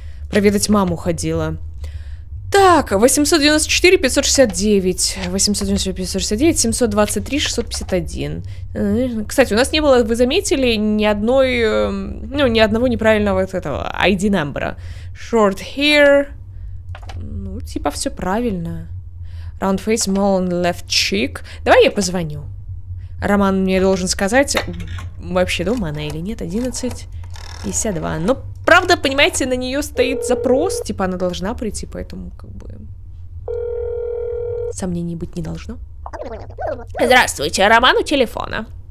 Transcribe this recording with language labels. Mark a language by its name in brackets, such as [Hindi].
[Russian] Проведать маму ходила. Так, 894-569, 723-651. Кстати, у нас не было, вы заметили, ни одной, ну, ни одного неправильного вот этого ID-номера. [English] Short hair. [Russian] Ну, типа, все правильно. [English] Round face, small on left cheek. [Russian] Давай я позвоню. Роман мне должен сказать, вообще дома она или нет. 11-52. Ну, правда, понимаете, на нее стоит запрос, типа она должна прийти, поэтому как бы сомнений быть не должно. Здравствуйте, Роман у телефона.